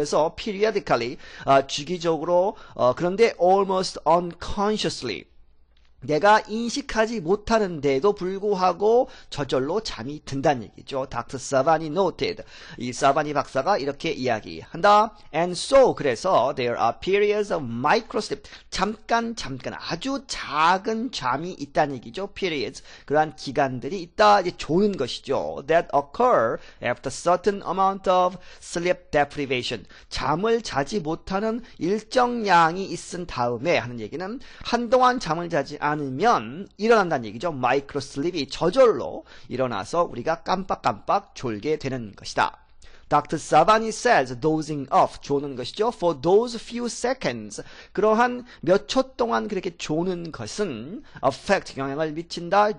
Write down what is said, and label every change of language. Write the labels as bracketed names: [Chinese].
[Korean] 그래서 periodically 주기적으로 그런데 [English] almost unconsciously [Korean] 내가 인식하지 못하는데도 불구하고 저절로 잠이 든다는 얘기죠. Dr. [English] Savani noted. [Korean] 이 사바니 박사가 이렇게 이야기한다. [English] And so [Korean] 그래서 [English] there are periods of microsleep. [Korean] 잠깐 잠깐 아주 작은 잠이 있다는 얘기죠. Periods 그러한 기간들이 있다 이제 조는 것이죠. [English] That occur after certain amount of sleep deprivation. [Korean] 잠을 자지 못하는 일정 양이 있은 다음에 하는 얘기는 한동안 잠을 자지 않 면 일어난다는 얘기죠. 마이크로 슬립이 저절로 일어나서 우리가 깜빡깜빡 졸게 되는 것이다. [English] Dr. Savani says dozing off [Korean] 조는 것이죠. [English] For those few seconds [Korean] 그러한 몇초 동안 그렇게 조는 것은 [English] affect [Korean] 영향을 미친다.